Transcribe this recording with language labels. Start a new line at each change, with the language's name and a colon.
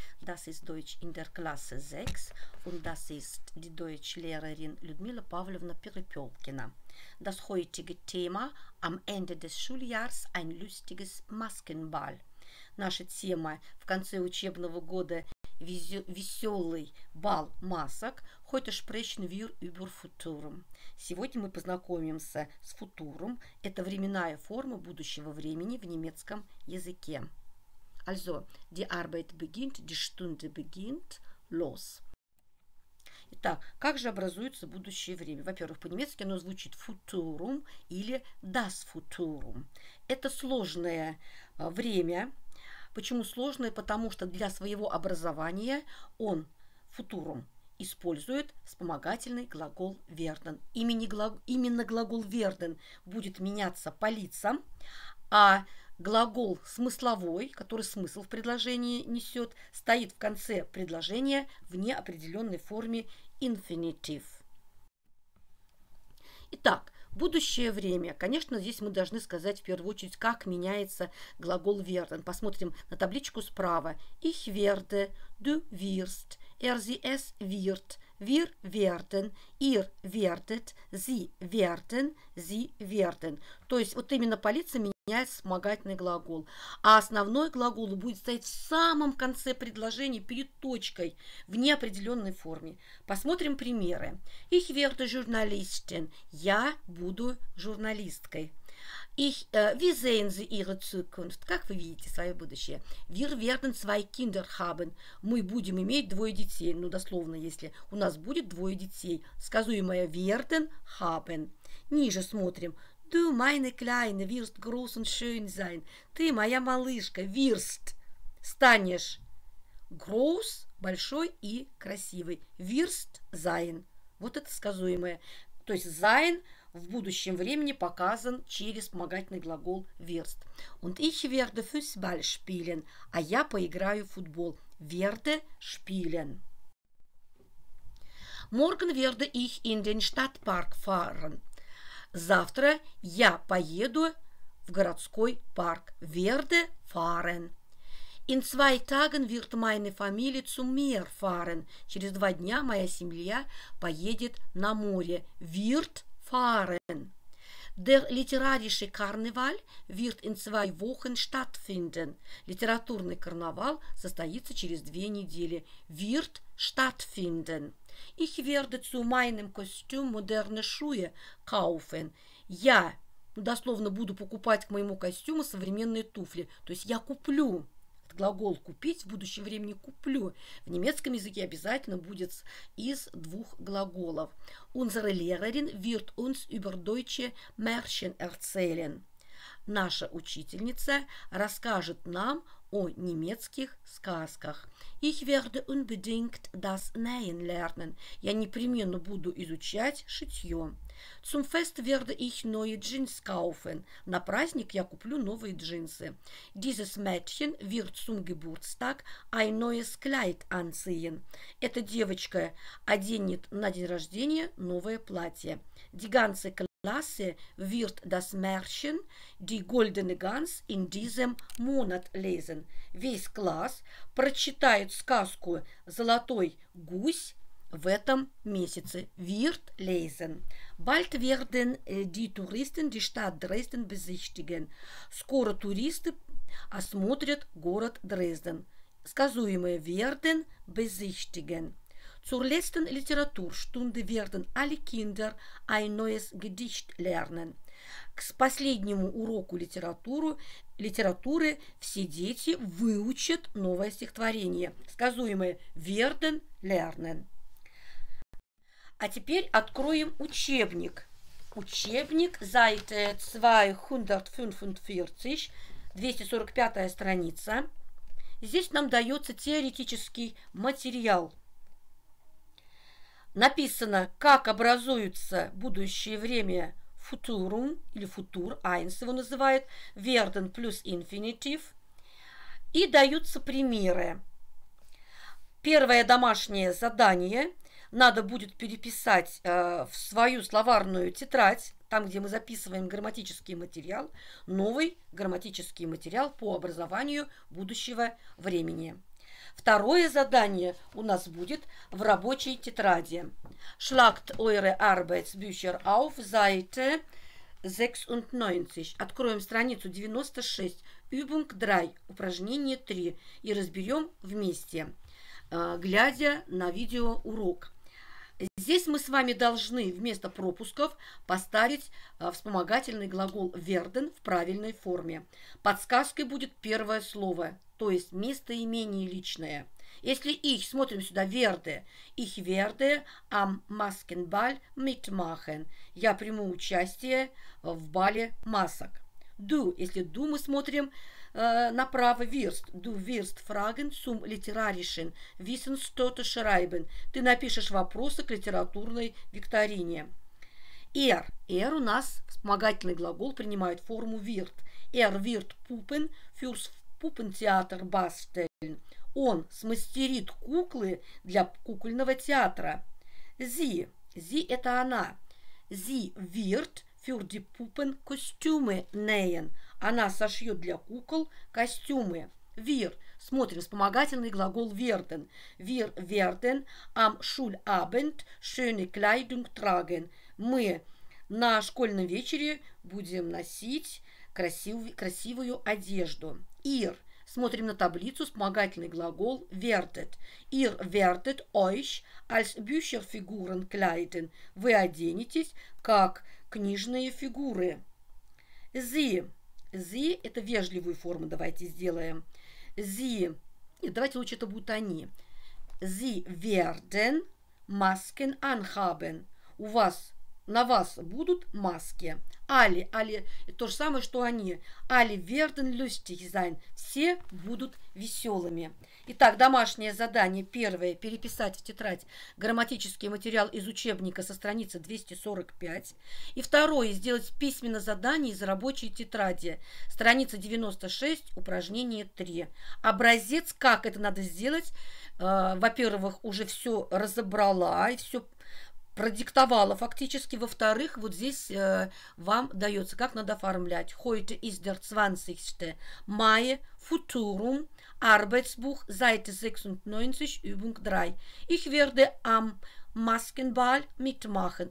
German: Das ist Deutsch in der Klasse 6 und das ist die Deutschlehrerin Людмила Павловна Перепёлкина. Das heutige Thema am Ende des Schuljahres ein lustiges Maskenball.
Russian: Наша тема в конце учебного года веселый бал масок.
German: Heute sprechen wir über Futurum.
Russian: Сегодня мы познакомимся с Futurum. Это временная форма будущего времени в немецком языке.
German: Also, die Arbeit beginnt, die Stunde beginnt, los.
Russian: Итак, как же образуется будущее время? Во-первых, по-немецки оно звучит Futurum или das Futurum. Это сложное время. Почему сложное? Потому что для своего образования он Futurum использует вспомогательный глагол «werden». Именно глагол «werden» будет меняться по лицам, а глагол смысловой, который смысл в предложении несет, стоит в конце предложения в неопределенной форме «infinitive». Итак, будущее время. Конечно, здесь мы должны сказать в первую очередь, как меняется глагол «werden». Посмотрим на табличку справа.
German: «Ich werde», «du wirst». Er, sie, es wird, wir werden, ihr werdet, sie werden.
Russian: То есть вот именно по лицам меняется вспомогательный глагол. А основной глагол будет стоять в самом конце предложения, перед точкой, в неопределенной форме. Посмотрим примеры.
German: Ich werde Journalistin.
Russian: Я буду журналисткой.
German: Ich, wie sehen Sie Ihre Zukunft?
Russian: Как вы видите свое будущее?
German: Wir werden zwei Kinder haben.
Russian: Мы будем иметь двое детей. Ну, дословно, если у нас будет двое детей.
German: Сказуемое werden haben.
Russian: Ниже смотрим.
German: Du meine Kleine wirst groß und schön sein.
Russian: Ты моя малышка. Wirst. Станешь. Groß, большой и красивый.
German: Wirst sein.
Russian: Вот это сказуемое. То есть sein в будущем времени показан через вспомогательный глагол «werst».
German: Und ich werde Fußball spielen.
Russian: А я поиграю в футбол.
German: Werde spielen. Morgen werde ich in den Stadtpark fahren.
Russian: Завтра я поеду в городской парк.
German: Werde fahren. In zwei Tagen wird meine Familie zum Meer fahren.
Russian: Через два дня моя семья поедет на море.
German: Wird fahren. Der literarische Karneval wird in zwei Wochen stattfinden.
Russian: Литературный карнавал состоится через две недели.
German: Wird stattfinden. Ich werde zu meinem Kostüm moderne Schuhe kaufen.
Russian: Я дословно буду покупать к моему костюму современные туфли. То есть я куплю. Глагол «купить» в будущем времени «куплю». В немецком языке обязательно будет из двух глаголов.
German: Unsere Lehrerin wird uns über deutsche Märchen erzählen.
Russian: Наша учительница расскажет нам о немецких сказках.
German: Ich werde unbedingt das Nähen lernen.
Russian: Я непременно буду изучать шитье.
German: Zum Fest werde ich neue Jeans kaufen.
Russian: На праздник я куплю новые джинсы.
German: Dieses Mädchen wird zum Geburtstag ein neues Kleid anziehen.
Russian: Эта девочка оденет на день рождения новое платье.
German: Die ganze Klasse wird das Märchen Die Goldene Gans in diesem Monat lesen.
Russian: Весь класс прочитает сказку «Золотой гусь» в этом месяце.
German: Wird lesen. Bald werden die Touristen die Stadt Dresden besichtigen.
Russian: Скоро туристы осмотрят город Дрезден.
German: Сказуемое werden besichtigen. Zur letzten Literaturstunde werden alle Kinder ein neues Gedicht lernen.
Russian: К последнему уроку литературы все дети выучат новое стихотворение.
German: Сказуемое werden lernen.
Russian: А теперь откроем учебник. Учебник,
German: Seite 245,
Russian: 245-я страница. Здесь нам дается теоретический материал. Написано, как образуется будущее время Futurum, или Futur 1 его называют, werden плюс infinitive. И даются примеры. Первое домашнее задание – надо будет переписать в свою словарную тетрадь там, где мы записываем грамматический материал, новый грамматический материал по образованию будущего времени. Второе задание у нас будет в рабочей тетради.
German: Schlagt eure Arbeitsbücher auf Seite 96.
Russian: Откроем страницу 96.
German: Übung 3.
Russian: Упражнение 3. И разберем вместе, глядя на видеоурок. Здесь мы с вами должны вместо пропусков поставить вспомогательный глагол werden в правильной форме. Подсказкой будет первое слово, то есть местоимение личное. Если ich, смотрим сюда, werde.
German: Ich werde am Maskenball mitmachen.
Russian: Я приму участие в бале масок. Du, если du, мы смотрим направо, wirst.
German: Du wirst fragen zum literarischen Wissenstote schreiben.
Russian: Ты напишешь вопросы к литературной викторине. Er у нас, вспомогательный глагол, принимает форму wird.
German: Er wird Puppen fürs Puppentheater basteln.
Russian: Он смастерит куклы для кукольного театра. Sie – это она.
German: Sie wird für die Puppen Kostüme nähen.
Russian: Она сошьет для кукол костюмы. Wir – смотрим вспомогательный глагол werden.
German: Wir werden am Schulabend schöne Kleidung tragen.
Russian: Мы на школьном вечере будем носить красивую одежду. Ihr – смотрим на таблицу, вспомогательный глагол werdet.
German: Ihr werdet euch als Bücherfiguren kleiden.
Russian: Вы оденетесь, как книжные фигуры. Sie – это вежливую форму, давайте сделаем. Sie – нет, давайте лучше это будут они.
German: Sie werden Masken anhaben.
Russian: У вас, на вас будут маски. Alle – то же самое, что они.
German: Alle werden lustig sein.
Russian: Все будут веселыми. Итак, домашнее задание. Первое – переписать в тетрадь грамматический материал из учебника со страницы 245. И второе – сделать письменное задание из рабочей тетради. Страница 96, упражнение 3. Образец, как это надо сделать. Во-первых, уже все разобрала и все продиктовала фактически. Во-вторых, вот здесь вам дается, как надо оформлять.
German: Heute ist der 20. Mai, Futurum, Arbeitsbuch, Seite 96, Übung 3. Ich werde am Maskenball mitmachen.